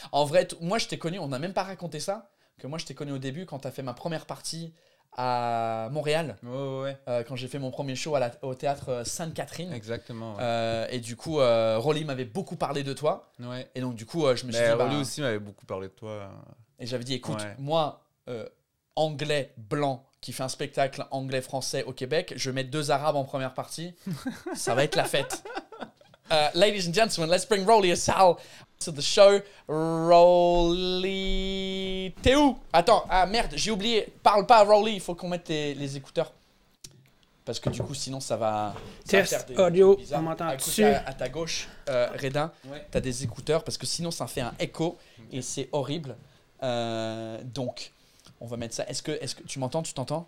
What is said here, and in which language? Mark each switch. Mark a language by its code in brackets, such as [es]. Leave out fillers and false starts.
[fr] En vrai, moi je t'ai connu, on n'a même pas raconté ça, que moi je t'ai connu au début quand t'as fait ma première partie à Montréal, quand j'ai fait mon premier show au théâtre Sainte-Catherine. Exactement. Ouais. Et du coup, Rowley m'avait beaucoup parlé de toi. Ouais. Et donc du coup, je me suis dit... Rowley aussi m'avait beaucoup parlé de toi. Et j'avais dit, écoute, moi, anglais, blanc, qui fait un spectacle anglais-français au Québec. Je mets deux Arabes en première partie. Ça va être la fête. [en] Ladies and gentlemen, let's bring Rolly Assal to the show. [fr] Rolly, t'es où? Attends, ah merde, j'ai oublié. Parle pas à Rolly, il faut qu'on mette les écouteurs. Parce que du coup, sinon, ça va... Test va faire audio, on m'entend dessus. À ta gauche, Reda, t'as des écouteurs, parce que sinon, ça fait un écho et c'est horrible. Donc... On va mettre ça. Est-ce que tu m'entends? Tu t'entends?